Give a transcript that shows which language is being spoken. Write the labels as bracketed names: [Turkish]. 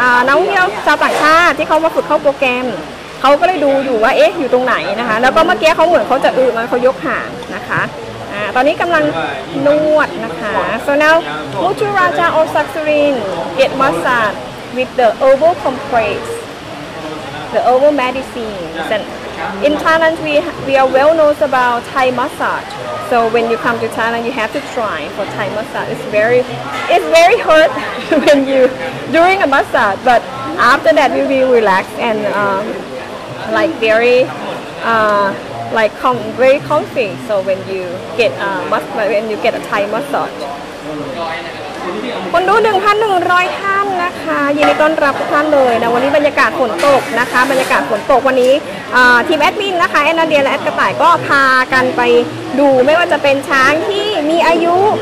[Thai] น้องเที่ยวชาวต่างชาติที่เขามาฝึกเข้าโปรแกรมเขาก็เลยดูอยู่ว่าเอ๊ะอยู่ตรงไหนนะคะแล้วก็เมื่อกี้เขาเหมือนเขาจะมันเขายกหางนะคะตอนนี้กำลังนวดนะคะ [English] so now Muthu Raja of Saksarin get massage with the herbal compress the herbal medicines and in Thailand we are well known about Thai massageSo when you come to Thailand, you have to try for Thai massage. It's very hard when you during a massage, but after that you will be relaxed and very comfy. So when you get a massage, when you get a Thai massage. [Thai] คนดู 1,100 ท่านนะคะยินดีต้อนรับทุกท่านเลยนะวันนี้บรรยากาศฝนตกนะคะบรรยากาศฝนตกวันนี้ทีมแอดมินนะคะแอนนาเดียและแอดกระต่ายก็พากันไปดูไม่ว่าจะเป็นช้างที่มีอายุ